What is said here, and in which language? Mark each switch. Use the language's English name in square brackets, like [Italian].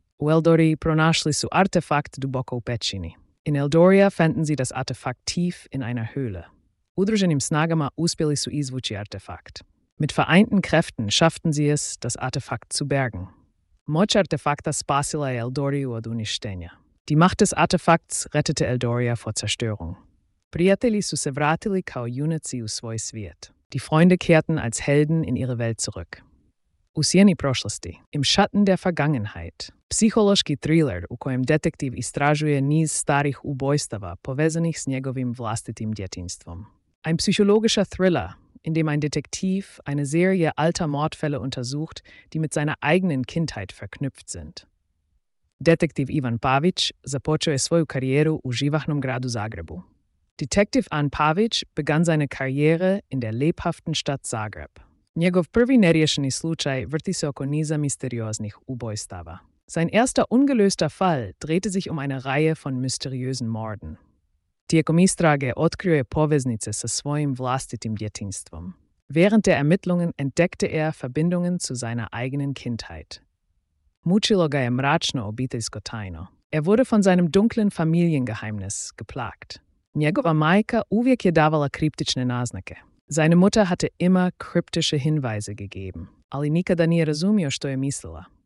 [Croatian] U Eldoriji pronašli su artefakt duboko u pećini. [German] In Eldoria fanden sie das Artefakt tief in einer Höhle. [Croatian] Udruženim snagama uspjeli su izvući artefakt. [German] Mit vereinten Kräften schafften sie es, das Artefakt zu bergen. [Croatian] Moć artefakta spasila je Eldoriju od uništenja. [German] Die Macht des Artefakts rettete Eldoria vor Zerstörung. [Croatian] Prijatelji su se vratili kao junaci u svoj svijet. [German] Die Freunde kehrten als Helden in ihre Welt zurück. [Croatian] U sjeni prošlosti, [German] im Schatten der Vergangenheit. [Croatian] Psihološki thriller u kojem detektiv istražuje niz starih ubojstava povezanih s njegovim vlastitim djetinjstvom. [German] Ein psychologischer thriller, in dem ein Detektiv eine Serie alter Mordfälle untersucht, die mit seiner eigenen Kindheit verknüpft sind. [Croatian] Detektiv Ivan Pavić započeo je svoju karijeru u živahnom gradu Zagrebu. [German] Detektiv Ivan Pavić begann seine Karriere in der lebhaften Stadt Zagreb. [Croatian] Njegov prvi neriješeni slučaj vrti se oko niza misterioznih ubojstava. [German] Sein erster ungelöster Fall drehte sich um eine Reihe von mysteriösen Morden. [Croatian] Tijekom istrage otkrio je poveznice sa svojim vlastitim djetinjstvom. [German] Während der Ermittlungen entdeckte er Verbindungen zu seiner eigenen Kindheit. [Croatian] Mučilo ga je mračno obiteljsko tajno. [German] Er wurde von seinem dunklen Familiengeheimnis geplagt. [Croatian] Njegova majka uvijek je davala kriptične naznake. [German] Seine Mutter hatte immer kryptische Hinweise gegeben, [Croatian] ali nikada nije razumio što je mislila.